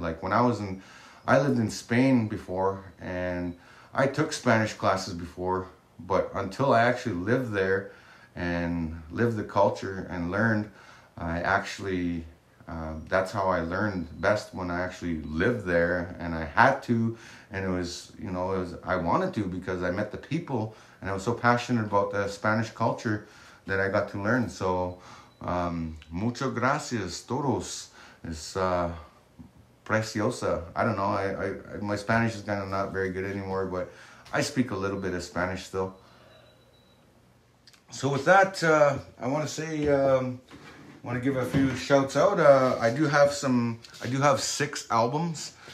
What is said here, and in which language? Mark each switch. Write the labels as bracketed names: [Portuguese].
[English] Like when I lived in Spain before, and I took Spanish classes before, but until I actually lived there and lived the culture and learned, I actually, that's how I learned best, when I actually lived there and I had to, and it was I wanted to, because I met the people and I was so passionate about the Spanish culture that I got to learn. [Spanish] So mucho gracias todos, es preciosa. [English] I don't know, I my Spanish is kind of not very good anymore, but I speak a little bit of Spanish still. So with that, I want to say, I want to give a few shouts out. I do have 6 albums.